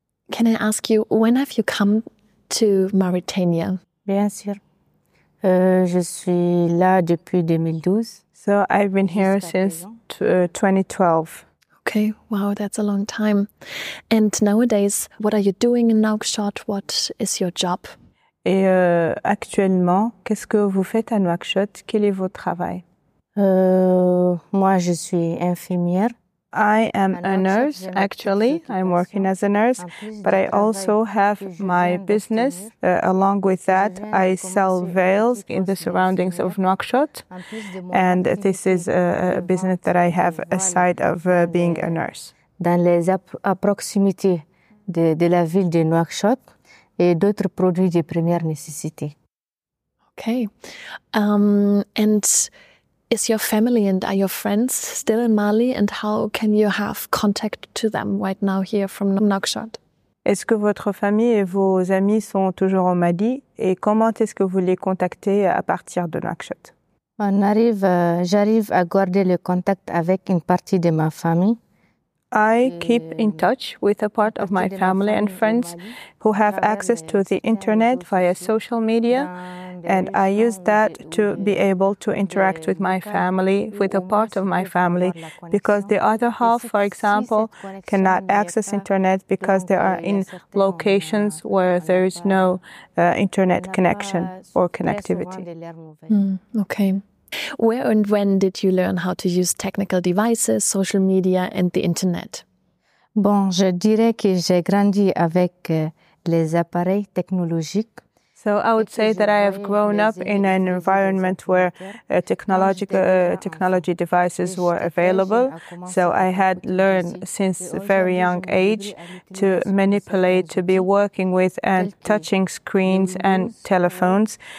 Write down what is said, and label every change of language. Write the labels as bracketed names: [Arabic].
[English] Can I ask you, when have you come to Mauritania? [French] Bien sûr. Je suis là depuis 2012. [English] So I've been here since 2012. Okay, wow, that's a long time. And nowadays, what are you doing in Nouakchott? What is your job? [French] Et actuellement, qu'est-ce que vous faites à Nouakchott? Quel est votre travail? Moi, je suis infirmière. [English] I am a nurse, actually. I'm working as a nurse, but I also have my business. Along with that, I sell veils in the surroundings of Nouakchott. And this is a business that I have aside of being a nurse. [French] Dans les proximités de la ville de Nouakchott et d'autres produits de première nécessité. [English] Okay. And is your family and are your friends still in Mali? And how can you have contact to them right now here from Nouakchott? [French] Est-ce que votre famille et vos amis sont toujours au Mali? Et comment est-ce que vous les contactez à partir de Nouakchott? J'arrive à garder le contact avec une partie de ma famille. [English] I keep in touch with a part of my family and friends who have access to the internet via social media, and I use that to be able to interact with my family, with a part of my family, because the other half, for example, cannot access internet because they are in locations where there is no internet connection or connectivity. Okay. Where and when did you learn how to use technical devices, social media and the internet? [French] Bon, je dirais que j'ai grandi avec les appareils technologiques. [English] So I would say that I have grown up in an environment where technology devices were available. So I had learned since a very young age to manipulate, to be working with and touching screens and telephones.